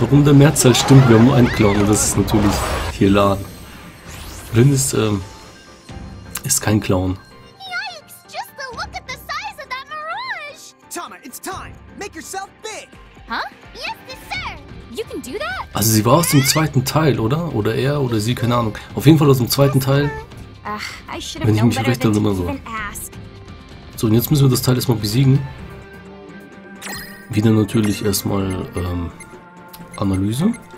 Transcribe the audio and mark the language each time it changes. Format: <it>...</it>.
<de>Warum der Mehrzahl stimmt, wir haben einen Clown, das ist natürlich hier Lann. Reynn ist, ist kein Clown.</de> <en>Yikes, just the look at the size of that mirage! Tama, it's time! Make yourself big! Huh? Yes, yes, sir! You can do that?</en> <de>Also sie war aus dem zweiten Teil, oder? Oder er oder sie, keine Ahnung. Auf jeden Fall aus dem zweiten Teil. Wenn ich mich recht erinnere, so. So, und jetzt müssen wir das Teil erstmal besiegen. Wieder natürlich erstmal, Analyse.</de>